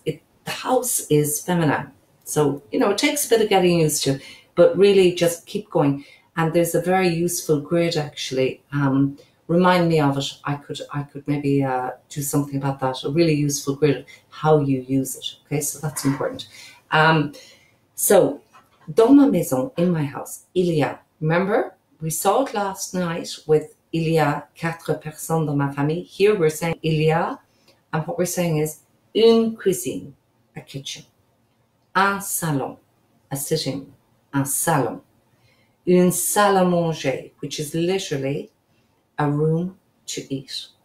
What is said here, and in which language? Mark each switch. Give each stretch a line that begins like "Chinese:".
English: The house is feminine. So, you know, it takes a bit of getting used to, but really just keep going. And there's a very useful grid, actually. Remind me of it. I could maybe do something about that. A really useful grid of how you use it. Okay, so that's important.
French: So, dans ma maison,
English: in my house,
French: il y a.
English: Remember, we saw it last night with
French: il y a quatre personnes dans ma famille.
English: Here we're saying
French: il y a,
English: and what we're saying is
French: une cuisine,
English: a kitchen.
French: Un salon,
English: a sitting,
French: un salon. Une salle à manger,
English: which is literally a room to eat.